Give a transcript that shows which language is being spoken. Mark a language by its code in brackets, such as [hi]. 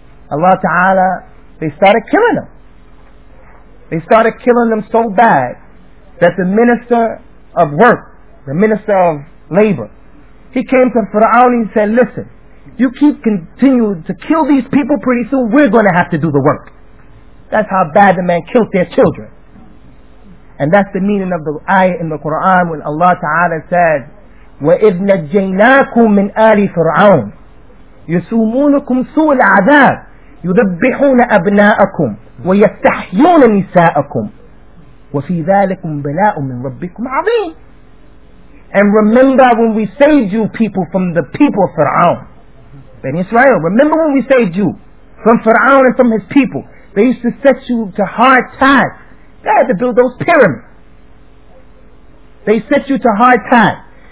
[en] Allah Ta'ala, they started killing them. They started killing them so bad that the minister of work, the minister of labor, he came to Fir'aun and said, listen, you keep continuing to kill these people, pretty soon we're going to have to do the work. That's how bad the man killed their children. And that's the meaning of the ayah in the Quran when Allah Ta'ala says, [ar] وَإِذْ نَجَّيْنَاكُمْ مِنْ آلِ فِرْعَوْنَ يَسُومُونَكُمْ سُوءَ الْعَذَابِ يُذَبِّحُونَ أَبْنَاءَكُمْ وَيَسْتَحْيُونَ نِسَاءَكُمْ وَفِي ذَلِكُمْ بَلَاءٌ مِنْ رَبِّكُمْ عَظِيمٌ. [en] And remember when we saved you people from the people of Fir'aun, Bani Israel. Remember when we saved you from Fir'aun and from his people. They used to set you to hard tasks. They had to build those pyramids. They set you to hard tasks.